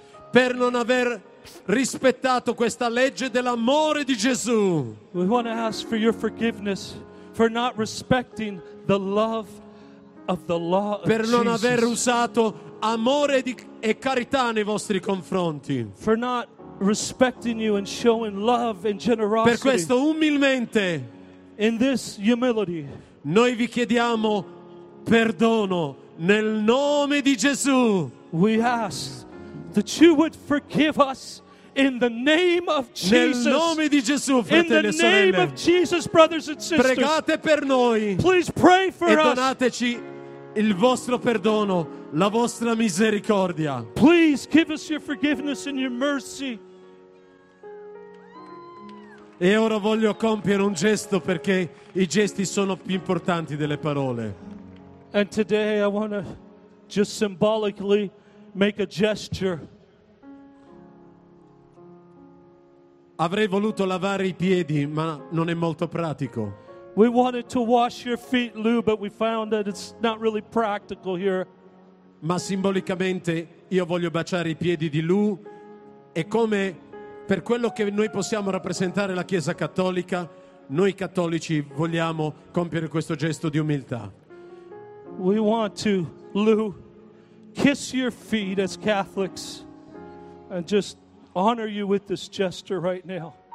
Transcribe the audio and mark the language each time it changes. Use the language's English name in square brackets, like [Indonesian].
[Italian] Per non aver rispettato questa legge dell'amore di Gesù. [English] We want to ask for your forgiveness. For not respecting the love of the law of Jesus. [Italian] Per non aver usato amore e carità nei vostri confronti. [English] For not respecting you and showing love and generosity. [Italian] Per questo umilmente. [English] In this humility. [Italian] Noi vi chiediamo perdono nel nome di Gesù. [English] We ask that you would forgive us. In the name of Jesus. [Italian] Nel nome di Gesù, fratelli e sorelle. [English] In the name of Jesus, brothers and sisters. [Italian] Pregate per noi. [English] Please pray for us. [Italian] E donateci il vostro perdono, la vostra misericordia. [English] Please give us your forgiveness and your mercy. [Italian] E ora voglio compiere un gesto perché i gesti sono più importanti delle parole. [English] And today I want to just symbolically make a gesture. [Italian] Avrei voluto lavare i piedi, ma non è molto pratico. [English] We wanted to wash your feet, Lou, but we found that it's not really practical here. [Italian] Ma simbolicamente io voglio baciare i piedi di Lou e come per quello che noi possiamo rappresentare la Chiesa Cattolica, noi cattolici vogliamo compiere questo gesto di umiltà. [English] We want to, Lou, kiss your feet as Catholics and just honor you with this gesture right now.